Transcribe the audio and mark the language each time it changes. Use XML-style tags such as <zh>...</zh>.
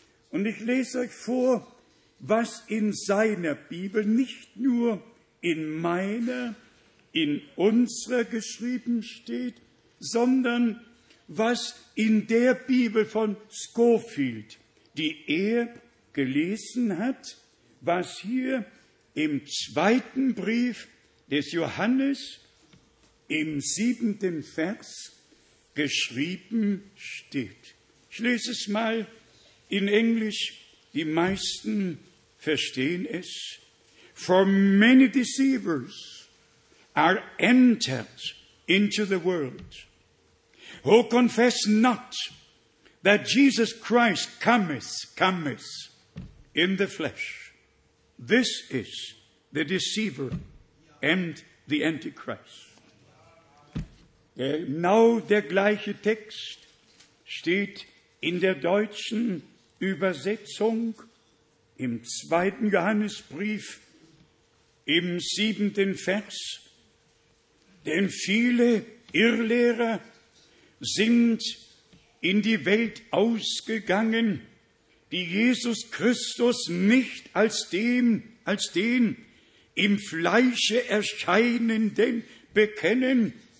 <de>Und ich lese euch vor, was in seiner Bibel, nicht nur in meiner, in unserer geschrieben steht, sondern was in der Bibel von Scofield, die er gelesen hat, was hier im zweiten Brief des Johannes im 7. Vers geschrieben steht. Ich lese es mal in Englisch, die meisten verstehen es.</de> <en>For many deceivers are entered into the world, who confess not that Jesus Christ cometh in the flesh. This is the deceiver and the antichrist.</en> <de>Genau der gleiche Text steht in der deutschen Übersetzung im 2. Johannesbrief im 7. Vers. Denn viele Irrlehrer sind in die Welt ausgegangen, die Jesus Christus nicht als den im Fleische Erscheinenden bekennen.</de>